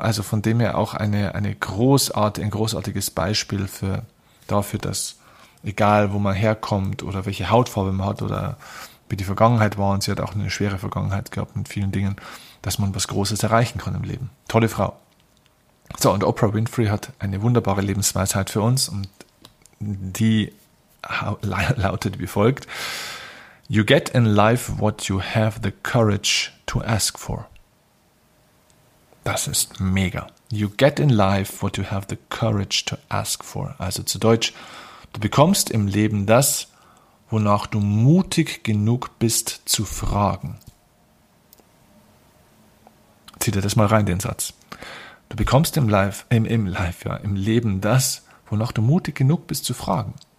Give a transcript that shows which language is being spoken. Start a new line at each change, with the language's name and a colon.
German: Also von dem her auch ein großartiges Beispiel dafür, dass egal wo man herkommt oder welche Hautfarbe man hat oder wie die Vergangenheit war, und sie hat auch eine schwere Vergangenheit gehabt mit vielen Dingen, dass man was Großes erreichen kann im Leben. Tolle Frau. So, und Oprah Winfrey hat eine wunderbare Lebensweisheit für uns und die lautet wie folgt:
English: You get in life what you have the courage to ask for.
German: Das ist mega.
English: You get in life what you have the courage to ask for.
German: Also zu Deutsch, du bekommst im Leben das, wonach du mutig genug bist zu fragen. Zieh dir das mal rein, den Satz. Du bekommst im Leben das, wonach du mutig genug bist zu fragen.